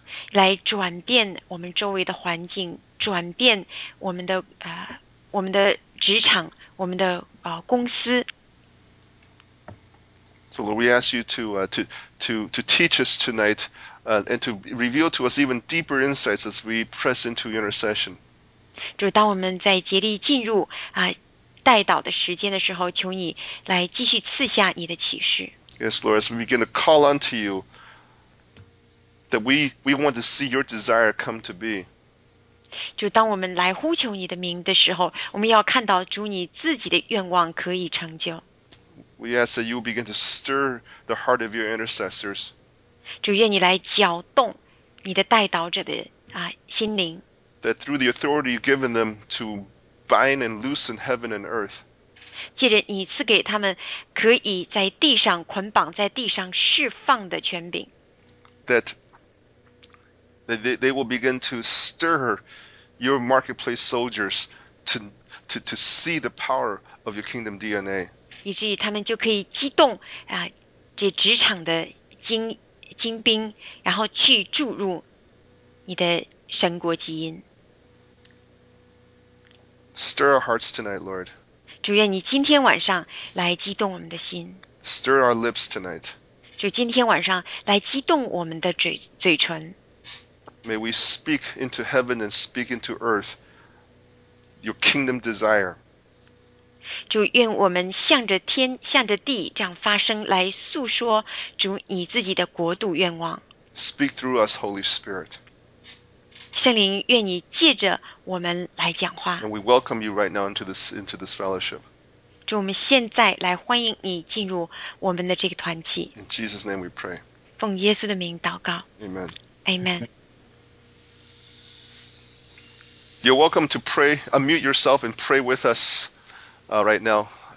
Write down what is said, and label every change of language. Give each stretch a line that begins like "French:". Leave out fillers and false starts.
Chinese: 来转变我们周围的环境，转变我们的职场，我们的公司。
English: So Lord, we ask you to teach us tonight, and to reveal to us even deeper insights as we press into your intercession.
Chinese: 就当我们在竭力进入代祷的时间的时候，求你来继续赐下你的启示。
English: Yes, Lord, as we begin to call unto you, that we want to see your desire come to be.
Chinese: 就当我们来呼求你的名的时候，我们要看到主你自己的愿望可以成就。
English: We ask that you begin to stir the heart of your intercessors.
Chinese: 主，愿你来搅动你的代祷者的心灵。
English: That through the authority you've given them to bind and loosen heaven and earth.
Chinese: 借着你赐给他们可以在地上捆绑、在地上释放的权柄。
English: That they will begin to stir your marketplace soldiers to see the power of your kingdom DNA.
Chinese: 以至于他们就可以激动这职场的精兵，然后去注入你的神国基因。
English: Stir our hearts tonight, Lord.
Chinese: 主，愿你今天晚上来激动我们的心。
English: Stir our lips tonight.
Chinese: 主，今天晚上来激动我们的嘴唇。
English: May we speak into heaven and speak into earth your kingdom desire.
Chinese: 主，愿我们向着天、向着地这样发声，来诉说主你自己的国度愿望。
English: Speak through us, Holy Spirit.
Chinese: 圣灵，愿你借着我们来讲话。
English: And we welcome you right now into this fellowship.
Chinese: 主，我们现在来欢迎你进入我们的这个团体。
English: In Jesus' name we pray.
Chinese: 奉耶稣的名祷告。
English: Amen. Amen. You're welcome to pray. Unmute yourself and pray with us. Right now.